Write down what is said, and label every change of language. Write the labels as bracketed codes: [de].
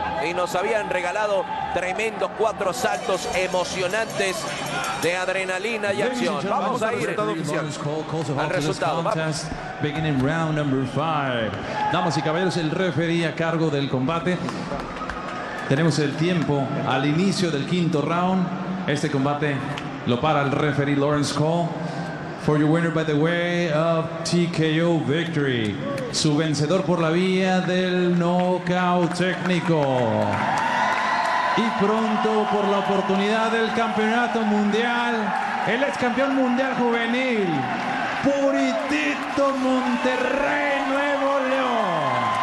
[es] Y nos habían regalado tremendos cuatro asaltos emocionantes de adrenalina y acción. Vamos a ir al resultado. [en] Beginning round number five. [es] Damas y caballeros, el referee a cargo del combate. Tenemos el tiempo al inicio del quinto round. Este combate lo para el referee Lawrence Cole. [en] For your winner by the way of TKO victory. [es] Su vencedor por la vía del knockout técnico. Y pronto por la oportunidad del campeonato mundial, el ex campeón mundial juvenil, Puritito Monterrey, Nuevo León.